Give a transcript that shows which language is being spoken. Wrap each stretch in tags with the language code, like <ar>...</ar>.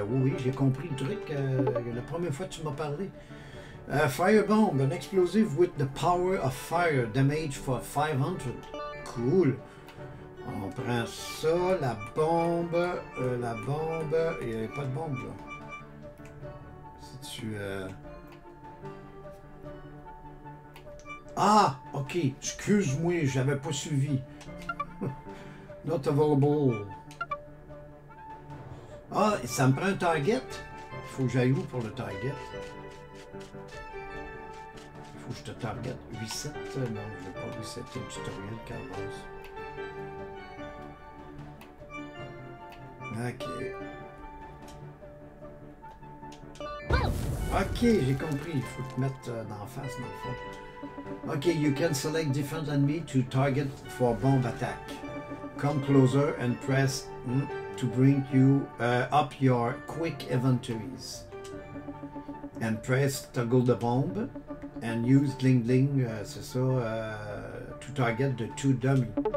<fr>Oui, j'ai compris le truc la première fois que tu m'as parlé.</fr> <en>Firebomb, an explosive with the power of fire. Damage for 500. Cool.</en> <fr>On prend ça, la bombe. Il n'y avait pas de bombe là. Ah, ok, excuse-moi, j'avais pas suivi.</fr> <en>Not available.</en> <fr>Ah, ça me prend un target. Il faut que j'aille où pour le target? Il faut que je te target. 8-7, non, je vais pas 8-7, c'est un tutoriel, Carlos. Ok. Ok, j'ai compris. Il faut te mettre dans la face, dans le fond.</fr> <en>Ok, you can select different enemy to target for bomb attack. Come closer and press to bring you up your quick inventories. And press toggle the bomb and use Ling Ling,</en> <fr>c'est ça,</fr> <en>to target the two dummies.</en>